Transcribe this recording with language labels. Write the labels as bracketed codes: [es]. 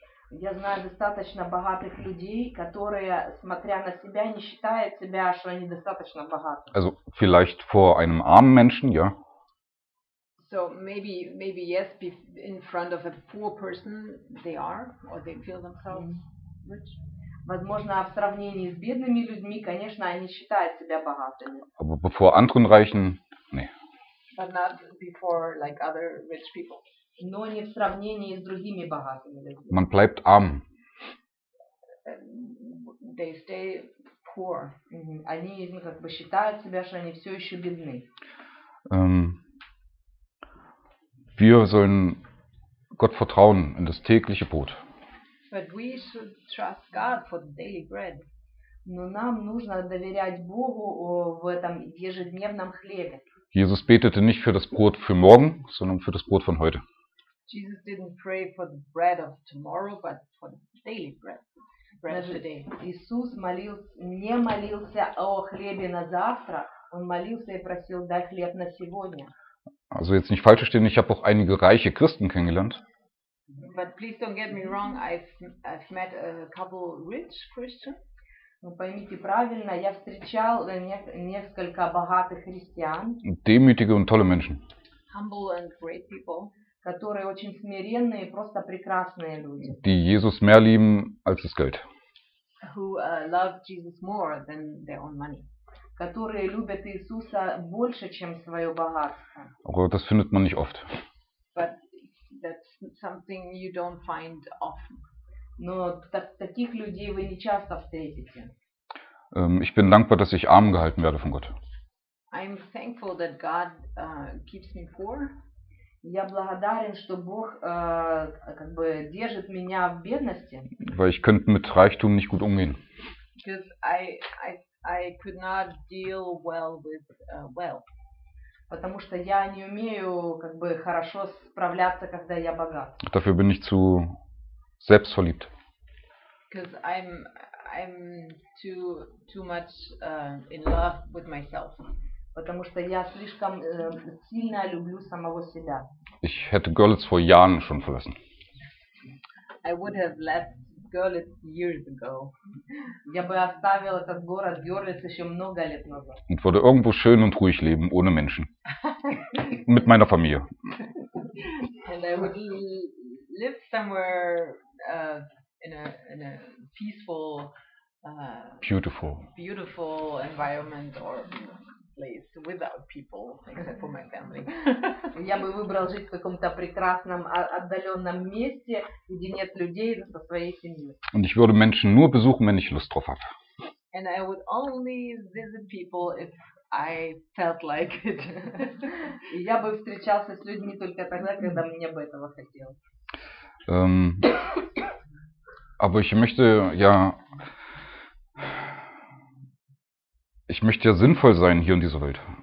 [ru] Я знаю достаточно богатых людей, которые, смотря на себя, не считают себя, что они достаточно богаты. [de] Also vielleicht vor einem armen Menschen, ja. [en] So maybe yes, in front of a poor person they are or they feel themselves rich. [ru] Возможно, в сравнении с бедными людьми, конечно, они считают себя богатыми. [de] Aber bevor anderen Reichen, nee. [en] But not before like other rich people. [ru] Но не в сравнении с другими богатыми людьми. [de] Man bleibt arm. [en] They stay poor. [ru] Они как бы считают себя, что они все еще бедны. [de] Wir sollen Gott vertrauen in das tägliche Brot. [en] But we should trust God for the daily bread. [ru] Но нам нужно доверять Богу в этом ежедневном хлебе. [de] Jesus betete nicht für das Brot für morgen, sondern für das Brot von heute. [en] Jesus didn't pray for the bread of tomorrow, but for the daily bread. Bread of today. [ru] Иисус не молился о хлебе на завтра, он молился и просил дать хлеб на сегодня. [de] Also jetzt nicht falsch verstehen, ich habe auch einige reiche Christen kennengelernt. [en] But please don't get me wrong, I've met a couple rich Christians. [ru] Ну поймите правильно, я встречал несколько богатых христиан. [de] Demütige und tolle Menschen. [en] Humble and great people. [ru] Которые очень смиренные, просто прекрасные люди. [de] Die Jesus mehr lieben als das Geld. [en] Who love Jesus more than their own money. [ru] Которые любят Иисуса больше, чем свое богатство. [de] Aber das findet man nicht oft. [en] But that's something you don't find often. [ru] Но таких людей вы не часто встретите. [de] Ich bin dankbar, dass ich arm gehalten werde von Gott. [en] I'm thankful that God keeps me poor. [ru] Я благодарен, что Бог как бы держит меня в бедности. [de] Weil ich könnte mit Reichtum nicht gut umgehen. [en] Because I could not deal well with wealth. [ru] Потому что я не умею как бы хорошо справляться, когда я богат. [de] Dafür bin ich zu selbstverliebt. [en] Because I'm too much in love with myself. [ru] Потому что я слишком сильно люблю самого себя. [de] Ich hätte Görlitz vor Jahren schon verlassen. [en] I would have left Görlitz years ago. [ru] Я бы оставил этот город Görlitz еще много лет назад. [de] Und würde irgendwo schön und ruhig leben, ohne Menschen. Mit meiner Familie. [en] And I would live somewhere in a peaceful, beautiful environment or place without people, except for my family. [ru] Я бы выбрал жить в каком-то прекрасном отдаленном месте, где нет людей, со своей семьей. [de] Und ich würde Menschen nur besuchen, wenn ich Lust drauf habe. [en] And I would only visit people if I felt like it. [ru] Я бы встречался с людьми только тогда, когда мне бы этого хотелось. [de] Aber ich möchte ja sinnvoll sein hier in dieser Welt.